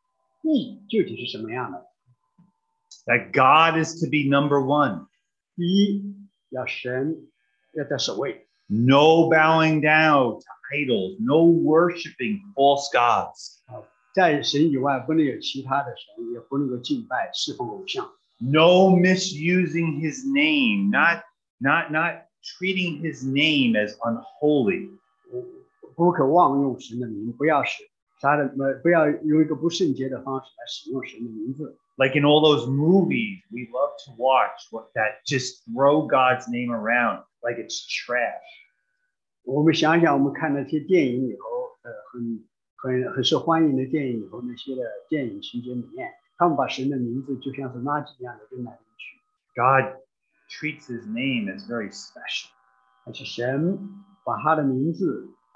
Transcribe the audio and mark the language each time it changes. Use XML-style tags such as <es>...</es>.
<zh>在那里我们就可以看见，神借着十诫告诉我们，义究竟是什么样的。</zh> <en>That God is to be number one.</en> <zh>第一，要神要在首位。</zh> <en>No bowing down to idols, no worshiping false gods.</en> <zh>在神以外，不能有其他的神，也不能够敬拜侍奉偶像。</zh> <en>No misusing his name, not treating his name as unholy.</en> <zh>不可妄用神的名，不要用一个不圣洁的方式来使用神的名字。</zh> <en>Like in all those movies, we love to watch what that just throw God's name around like it's trash.</en> <zh>我们想想，我们看那些电影以后，很受欢迎的电影以后，那些的电影情节里面。</zh> <en>God treats his name as very special.</en>